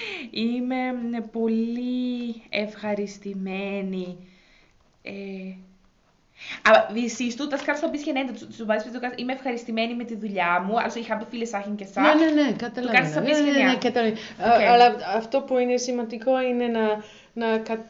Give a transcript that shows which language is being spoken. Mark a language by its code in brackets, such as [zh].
[el] Είμαι πολύ ευχαριστημένη. [de] Aber wie siehst du, das kannst du ein bisschen ändern. Zum Beispiel, du kannst immer [el] ευχαριστημένη με τη δουλειά μου. [de] Also, ich habe viele Sachen gesagt. [el] Ναι, καταλαβαίνω. [de] Du kannst ein bisschen ändern. [el] Ναι, καταλαβαίνω. Okay. Αλλά αυτό που είναι σημαντικό είναι να